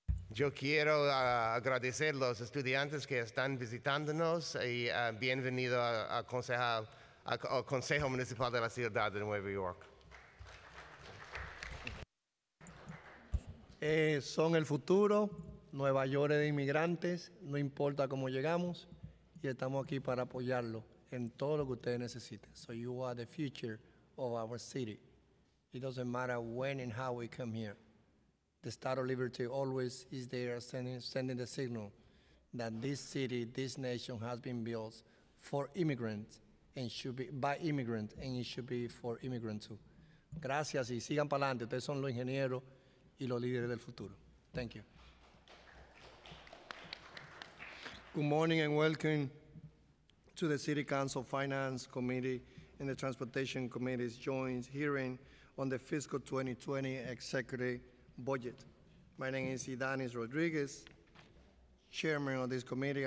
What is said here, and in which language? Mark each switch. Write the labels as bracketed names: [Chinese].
[Spanish] Yo quiero agradecer los estudiantes que están visitándonos y bienvenido al Consejo Municipal de la Ciudad de Nueva York. Son el futuro, Nueva York es de inmigrantes, no importa cómo llegamos, y estamos aquí para apoyarlo en todo lo que ustedes necesiten. [English] So you are the future of our city. It doesn't matter when and how we come here. The Statue of Liberty always is there sending the signal that this city, this nation has been built for immigrants and should be by immigrants and it should be for immigrants too. [Spanish] Gracias y sigan para adelante. Ustedes son los ingenieros y los líderes del futuro. [English] Thank you. Good morning and welcome to the City Council Finance Committee and the Transportation Committee's joint hearing on the Fiscal 2020 Executive Budget. My name is Idonis Rodriguez, Chairman of this committee.